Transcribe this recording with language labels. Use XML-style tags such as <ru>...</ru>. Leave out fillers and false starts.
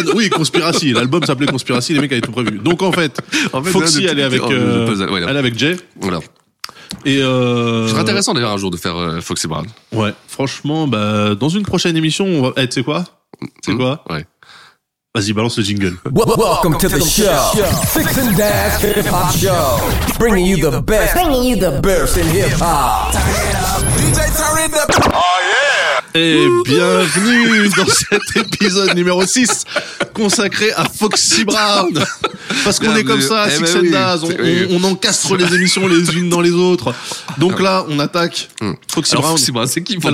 <en>Conspiracy.</en> <fr>L'album s'appelait Conspiracy, les mecs avaient tout prévu. Donc, en fait Foxy, elle est avec Jay. Voilà. Et ce serait intéressant d'ailleurs un jour de faire Foxy Brown. Ouais, franchement, dans une prochaine émission, on va. Hey, tu sais quoi? C'est quoi? Ouais. Vas-y, balance le jingle.</fr> <en>Welcome to the show. Fix and Dash Hip Hop Show. Bringing you the best. Bringing you the best in hip hop. DJ Tarin the. Oh yeah!</en> <fr>Et bienvenue dans cet épisode numéro 6 consacré à Foxy Brown. Parce qu'on est comme ça, Fix and Dash. On encastre les émissions les unes dans les autres. Donc là, on attaque Foxy Brown. Foxy Brown, c'est qui Foxy Brown?</fr>